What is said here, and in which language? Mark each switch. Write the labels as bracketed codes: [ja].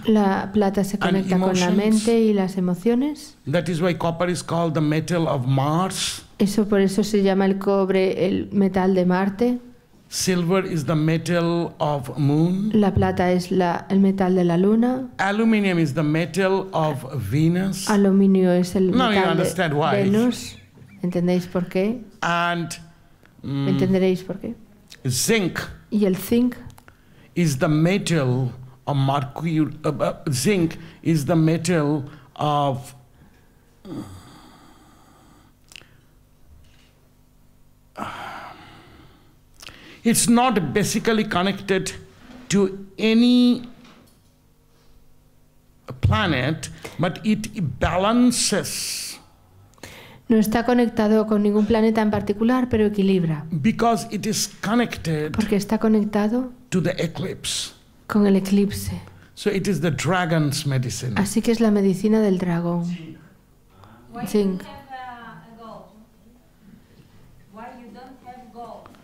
[es] La plata se conecta con la mente y las emociones. [en] That is why copper is called the metal of Mars. [es] Eso por eso se llama el cobre el metal de Marte. [en] Silver is the metal of moon. [es] La plata es el metal de la luna. [en] Aluminium is the metal of Venus. [es] Aluminio es el no, metal [en] you understand [es] de [en] why. [es] Venus. ¿Entendéis por qué? [en] And [es] entenderéis por qué. [en] Zinc. [es] Y el zinc. [en] Is the metal of mercury? Zinc is the metal of it's not basically connected to any planet, but it balances. [es] No está conectado con ningún planeta en particular, pero equilibra. [en] Because it is connected. [es] Porque está conectado. [en] To the eclipse. [es] Con el eclipse. [en] So it is the dragon's medicine. [es] Así que es la medicina del dragón. [en] Zinc. Why Zinc. You don't have gold? Why you don't have gold?